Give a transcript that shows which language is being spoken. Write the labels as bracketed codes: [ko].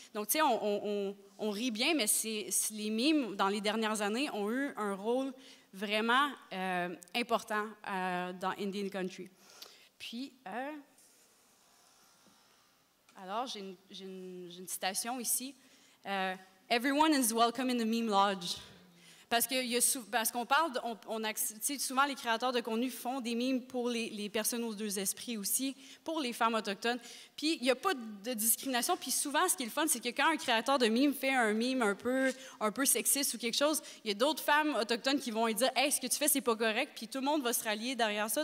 [fr] Donc, tu sais, on rit bien, mais c'est les mimes, dans les dernières années, ont eu un rôle vraiment important dans Indian Country. Puis, Alors, j'ai une citation ici. [en] Everyone is welcome in the Meme Lodge. [fr] Parce qu'on parle, souvent les créateurs de contenu font des mimes pour les personnes aux deux esprits aussi, pour les femmes autochtones. Puis il n'y a pas de discrimination. Puis souvent, ce qui est le fun, c'est que quand un créateur de mime fait un mime un peu sexiste ou quelque chose, il y a d'autres femmes autochtones qui vont lui dire « Hey, ce que tu fais, c'est pas correct. » Puis tout le monde va se rallier derrière ça.